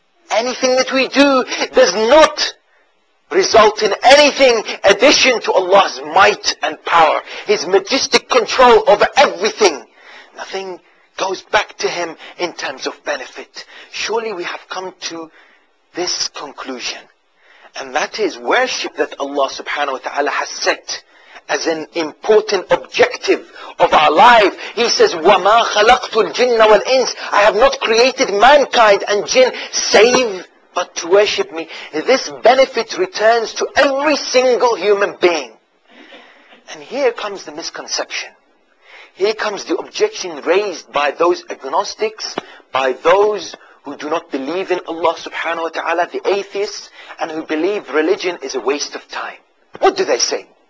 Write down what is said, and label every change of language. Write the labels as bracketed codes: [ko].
[en] Anything that we do does not result in anything addition to Allah's might and power, His majestic control over everything. Nothing goes back to Him in terms of benefit. Surely we have come to this conclusion. And that is worship that Allah subhanahu wa ta'ala has set as an important objective of our life. He says, [ar] وَمَا خَلَقْتُ الْجِنَّ وَالْإِنسِ. [en] I have not created mankind and jinn save but to worship me. This benefit returns to every single human being. And here comes the misconception. Here comes the objection raised by those agnostics, by those who do not believe in Allah subhanahu wa ta'ala, the atheists, and who believe religion is a waste of time. What do they say?